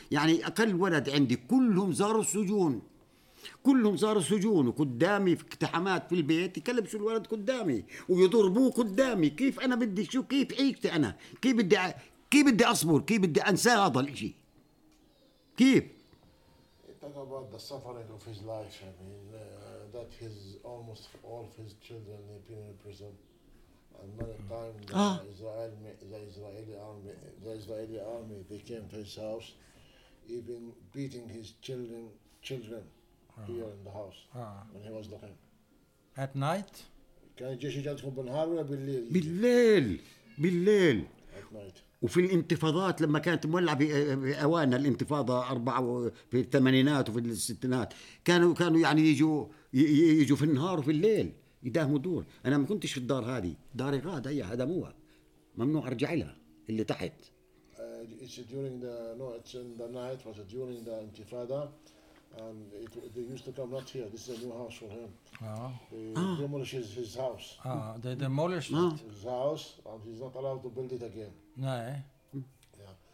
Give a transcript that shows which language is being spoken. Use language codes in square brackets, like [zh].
[ar] يعني أقل ولد عندي كلهم زاروا السجون وقدامي في اقتحامات في البيت يكلبشوا الولد قدامي ويضربوه قدامي. كيف أنا بدي شو كيف عيشت أنا؟ كيف بدي أصبر؟ كيف بدي أنسى هذا الإشي؟ كيف؟ [en] Talk about the suffering of his life. I mean, that his almost all of his children have been in prison. And many times the Israeli army, they came to his house, even beating his children here in the house when he was looking. At night. Can you just go to the house or at night? At night. [ar] وفي الانتفاضات لما كانت مولعة بأوان الانتفاضة أربعة في الثمانينات وفي الستينات كانوا يعني يجوا في النهار وفي الليل يداهموا دور. أنا ما كنتش في الدار هذه، داري غاد هي هدموها، ممنوع أرجع لها اللي تحت. [en] It's during the no, it's in the night. Was it during the intifada? And it, they used to come not here. This is a new house for him. They demolished his house. They demolished his house, and he's not allowed to build it again. No. Yeah.